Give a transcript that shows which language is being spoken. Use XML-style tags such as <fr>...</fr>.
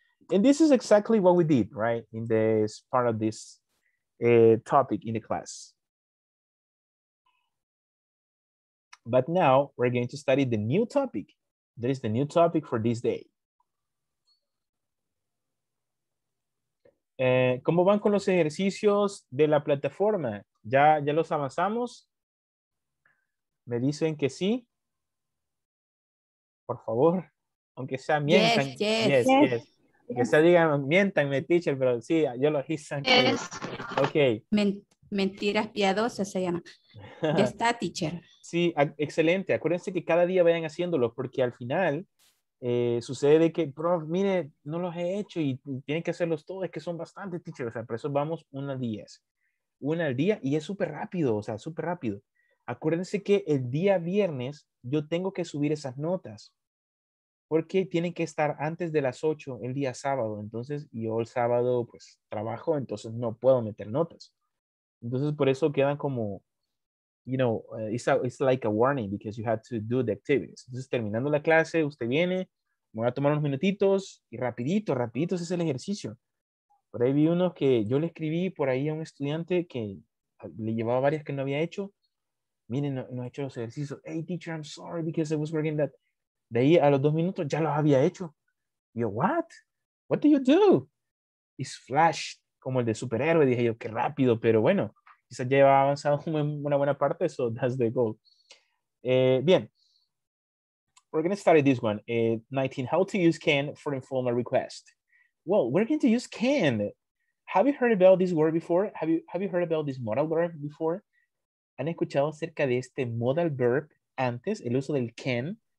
<en>And this is exactly what we did, right? In this part of this topic in the class. But now we're going to study the new topic. That is the new topic for this day.</en> <es>¿Cómo van con los ejercicios de la plataforma? ¿Ya los avanzamos? ¿Me dicen que sí? Por favor, aunque sea mientan.</es> <en>Yes.</en> <es>Aunque sea digan, mientanme, teacher, pero sí, yo lo hice.</es> <en>Yes. Okay.</en> <es>Mentiras piadosas se llama. Ya está, teacher. Sí, excelente. Acuérdense que cada día vayan haciéndolo, porque al final sucede de que, prof, mire, no los he hecho y tienen que hacerlos todos, es que son bastantes, teacher. O sea, por eso vamos una al día. Una al día y es súper rápido, o sea, súper rápido. Acuérdense que el día viernes yo tengo que subir esas notas, porque tienen que estar antes de las 8 el día sábado. Entonces, yo el sábado, pues, trabajo, entonces no puedo meter notas. Entonces, por eso quedan como,</es> <en>you know, it's like a warning because you have to do the activities.</en> <es>Entonces, terminando la clase, usted viene, me voy a tomar unos minutitos y rapidito es el ejercicio. Por ahí vi uno que yo le escribí por ahí a un estudiante que le llevaba varias que no había hecho. Miren, no ha hecho los ejercicios.</es> <en>Hey, teacher, I'm sorry because I was working that.</en> <es>De ahí a los dos minutos ya los había hecho.</es> <en>Yo, what? What do you do? It's flash,</en> <es>como el de superhéroe. Dije yo, qué rápido, pero bueno. Quizás ya ha avanzado una buena parte,</es> <en>so that's the goal.</en> <es>Bien.</es> <en>We're going to start this one. 19, how to use can for informal request. Well, we're going to use can. Have you heard about this word before? Have you heard about this modal verb before?</en> <es>¿Han escuchado acerca de este modal verb antes, el uso del can?</es>